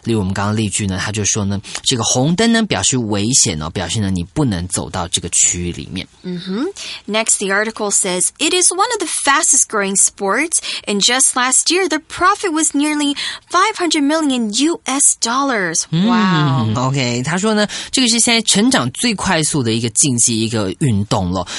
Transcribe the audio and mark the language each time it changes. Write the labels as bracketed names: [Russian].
[Chinese] 例如我们刚刚例句呢它就说呢这个红灯呢表示危险哦，表示呢你不能走到这个区域里面。 [English] Next, the article says, it is one of the fastest growing sports, and just last year, the profit was nearly 500 million US dollars. Wow. [Chinese] OK, 他说呢这个是现在成长最快速的一个竞技一个运动了。